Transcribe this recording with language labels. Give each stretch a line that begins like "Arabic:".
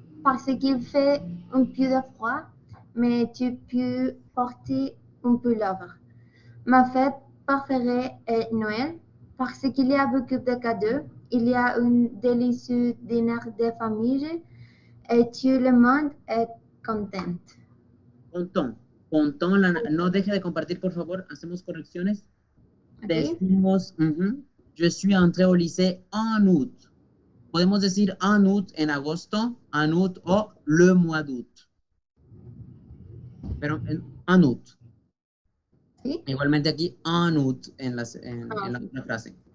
French: Parce qu'il fait un peu de froid, mais tu peux porter un pullover. Ma fête préférée est Noël, parce qu'il y a beaucoup de cadeaux, il y a un délicieux dîner de famille, et tout le monde est content.
Spanish: Pontón, pontón, no deje de compartir, por favor, hacemos correcciones. Okay. Decimos,
French: je suis entré au lycée en août.
Spanish: Podemos decir en août en agosto, en août o
French: le mois d'août.
Spanish: Pero en août. Igualmente aquí, en août en la frase.